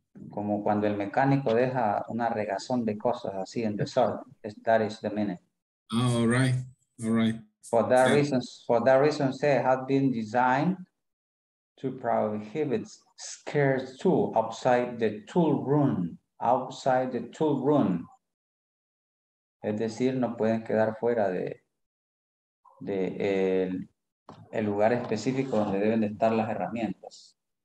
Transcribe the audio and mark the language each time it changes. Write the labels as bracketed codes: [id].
[es] Como cuando el mecánico deja una regazón de cosas así en desorden. [en] That is the meaning. Oh, all right. For that reason, say it had been designed to prohibit scared tool outside the tool room. Outside the tool room. [es] Es decir, no pueden quedar fuera de el lugar específico donde deben de estar las herramientas.